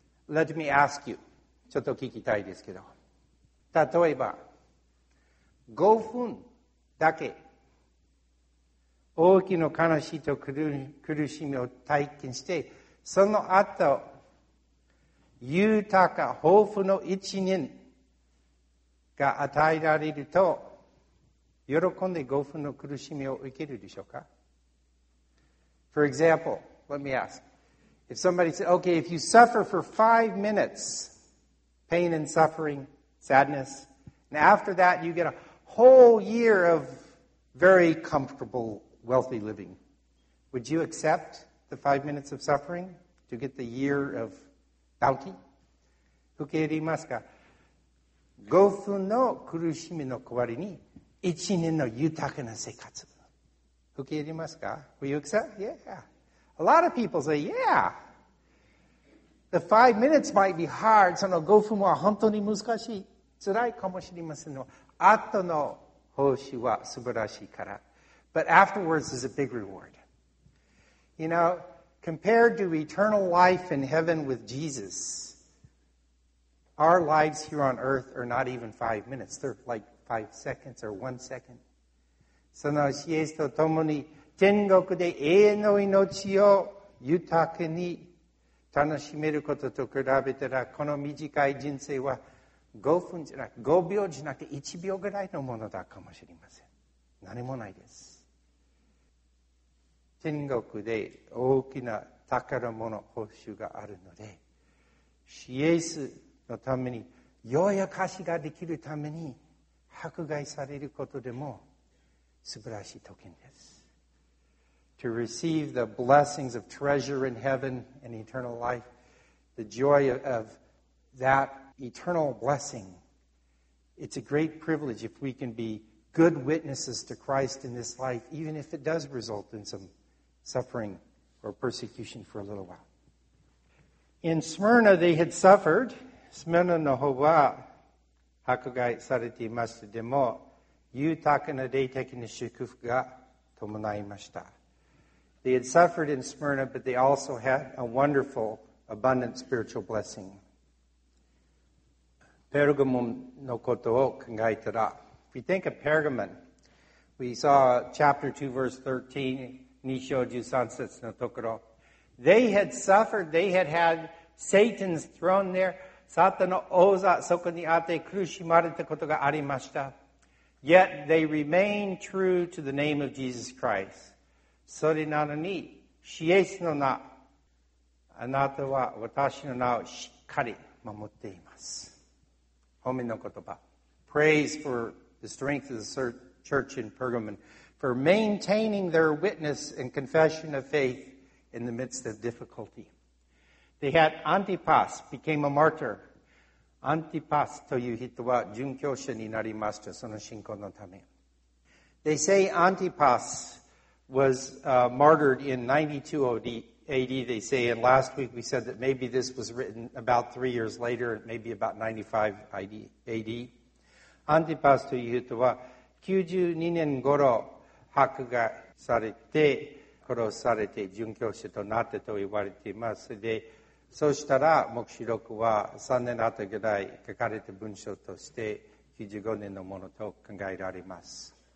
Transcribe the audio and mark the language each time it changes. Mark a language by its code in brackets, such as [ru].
[en] Let me ask you, [ja] ちょっと聞きたいですけど、例えば5分だけ大きな悲しいと苦しみを体験して、その後豊か豊富の一年が与えられると喜んで5分の苦しみを受けるでしょうか？ [en] For example, let me ask. If somebody said, okay, if you suffer for 5 minutes, pain and suffering, sadness, and after that you get a whole year of very comfortable, wealthy living, would you accept the 5 minutes of suffering to get the year of bounty? [ja] 受け入れますか? 5分の苦しみの代わりに1年の豊かな生活。受け入れますか? [en] Will you accept? Yeah. A lot of people say, yeah. The 5 minutes might be hard. [ja] その5分は本当に難しい。辛いかもしれませんが、後の報酬は素晴らしいから。 [en] But afterwards is a big reward. You know, compared to eternal life in heaven with Jesus, our lives here on earth are not even 5 minutes. They're like 5 seconds or 1 second. [ja] そのイエスとともに天国で永遠の命を豊かに楽しめることと比べたら、この短い人生は5分じゃなく5秒じゃなくて1秒ぐらいのものだかもしれません。何もないです。天国で大きな宝物報酬があるので、イエスのためにようやかしができるために迫害されることでも素晴らしい特権です。 [en] To receive the blessings of treasure in heaven and eternal life, the joy of that eternal blessing, it's a great privilege if we can be good witnesses to Christ in this life, even if it does result in some suffering or persecution for a little while. In Smyrna, they had suffered. Smyrna [ja] の方は迫害されていました。でも豊かな霊的な祝福が伴いました。 [en] They had suffered in Smyrna, but they also had a wonderful, abundant spiritual blessing. Pergamon [ja] のことを考えたら、 [en] if you think of Pergamon, we saw chapter 2, verse 13, [ja] 2章13節のところ。 [en] They had suffered, they had had Satan's throne there, [ja] サタンの王座そこにあって苦しまれたことがありました。 [en] Yet they remain true to the name of Jesus Christ. [ja] それなのに、シエスの名、あなたは私の名をしっかり守っています。褒めの言葉。 [en] Praise for the strength of the church in Pergamon for maintaining their witness and confession of faith in the midst of difficulty. They had Antipas became a martyr. [ja] Antipas という人は殉教者になりました、その信仰のため。 [en] They say Antipas was martyred in 92 AD, they say, and last week we said that maybe this was written about 3 years later, maybe about 95 AD. [ja] Antipas という人は92年頃迫害されて殺されて殉教者となったと言われています。で、そしたら黙示録は3年後ぐらい書かれた文章として95年のものと考えられます。